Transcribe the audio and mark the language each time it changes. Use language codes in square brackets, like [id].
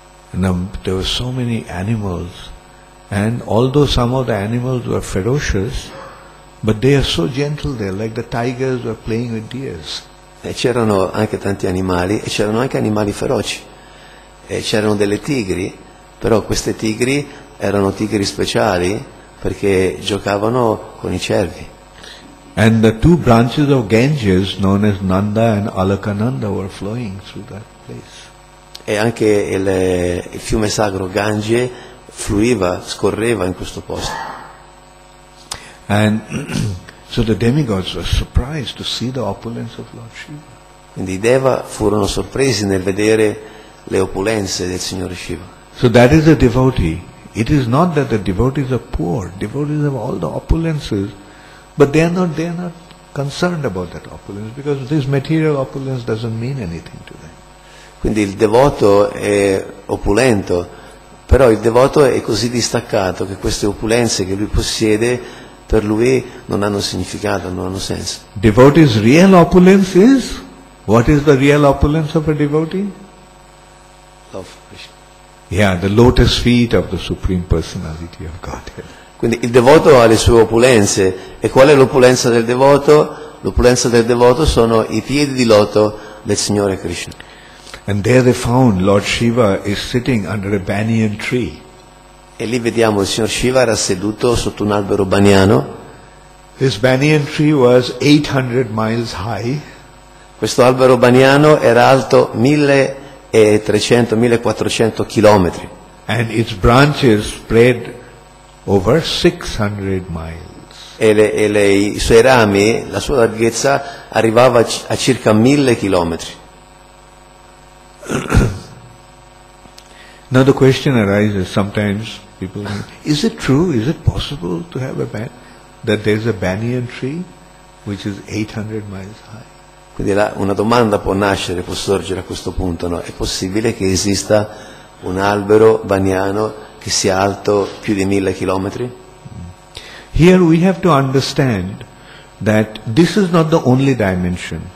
[en] There were so many animals, and although some of the animals were ferocious, but they are so gentle there, like the tigers were playing with deers. [it] E c'erano anche tanti animali, e c'erano anche animali feroci. E c'erano delle tigri, però queste tigri erano tigri speciali, perché giocavano con i cervi. [en] And the two branches of Ganges, known as Nanda and Alakananda, were flowing through that place. [it] E anche il fiume sacro Gange fluiva, scorreva in questo posto. [en] And so the demigods were surprised to see the opulence of Lord Shiva. [it] Quindi i deva furono sorpresi nel vedere le opulenze del Signore Shiva. [en] So that is a devotee. It is not that the devotees are poor. Devotees have all the opulences, but they are not concerned about that opulence, because this material opulence doesn't mean anything to them. [it] Quindi il devoto è opulento, però il devoto è così distaccato che queste opulenze che lui possiede per lui non hanno significato, non hanno senso. [en] Devotee's real opulence is? What is the real opulence of a devotee? Love Krishna. Yeah, the lotus feet of the Supreme Personality of Godhead. [it] Quindi il devoto ha le sue opulenze. E qual è l'opulenza del devoto? L'opulenza del devoto sono i piedi di loto del Signore Krishna. [en] And there they found Lord Shiva is sitting under a banyan tree. [it] E lì vediamo il signor Shiva era seduto sotto un albero baniano. [en] This banyan tree was 800 miles high. [it] Questo albero baniano era alto 1300-1400 chilometri. [en] And its branches spread over 600 miles. [it] I suoi rami, la sua larghezza arrivava a circa 1000 chilometri. [en] Now the question arises sometimes. People, is it true? Is it possible to have a that there is a banyan tree which is 800 miles high? [it] Quindi là una domanda può nascere, può sorgere a questo punto, no? È possibile che esista un albero baniano che sia alto più di 1000 chilometri? [en] Here we have to understand that this is not the only dimension.